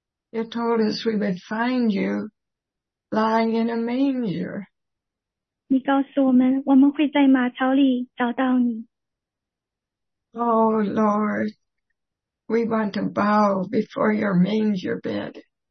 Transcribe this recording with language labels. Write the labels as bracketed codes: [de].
[en] You told us we would find you lying in a manger. [zh] 你告诉我们，我们会在马槽里找到你。 [en] Oh Lord, we want to bow before your manger bed.